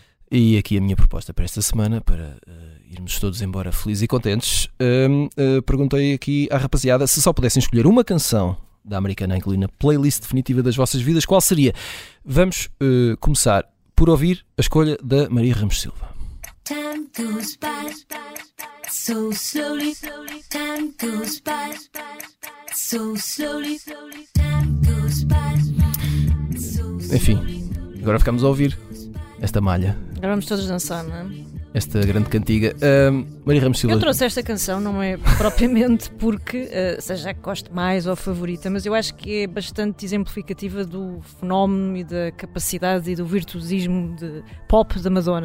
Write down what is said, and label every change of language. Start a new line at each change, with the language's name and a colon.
Portuguese: E aqui a minha proposta para esta semana, para irmos todos embora felizes e contentes, perguntei aqui à rapaziada se só pudessem escolher uma canção da Americana Angelina na playlist definitiva das vossas vidas, qual seria? Vamos começar por ouvir a escolha da Maria Ramos Silva.
English: Time goes by, so slowly, time goes by, so slowly, time goes by, so slowly.
Portuguese: Enfim, agora ficamos a ouvir esta malha. Agora vamos todos dançar, não é? Esta grande cantiga. Maria Ramos Silva. Eu trouxe esta canção, não é propriamente porque seja a que goste mais ou a favorita, mas eu acho que é bastante exemplificativa do fenómeno e da capacidade e do virtuosismo de pop da Madonna.